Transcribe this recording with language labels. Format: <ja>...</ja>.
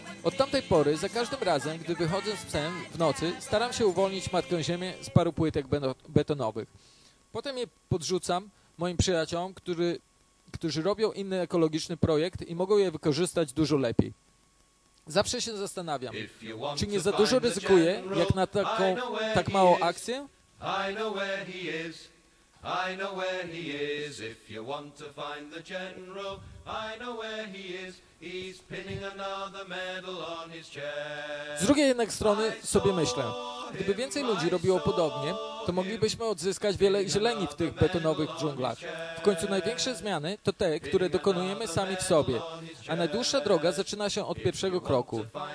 <pl>Od tamtej pory, za każdym razem, gdy wychodzę z psem w nocy, staram się uwolnić Matkę Ziemię z paru płytek betonowych. Potem je podrzucam moim przyjaciołom, którzy robią inny ekologiczny projekt i mogą je wykorzystać dużo lepiej. Zawsze się zastanawiam, czy nie za dużo ryzykuję, jak na taką tak małą akcję?</pl> <en>I know where he is, I know where he is. If you want to find the general, I know where he is. He's pinning another medal on his chest.</en> <pl>Z drugiej jednak strony sobie myślę, gdyby więcej ludzi robiło podobnie, to moglibyśmy odzyskać wiele zieleni w tych betonowych dżunglach. W końcu największe zmiany to te, które dokonujemy sami w sobie, a najdłuższa droga zaczyna się od pierwszego kroku.</pl>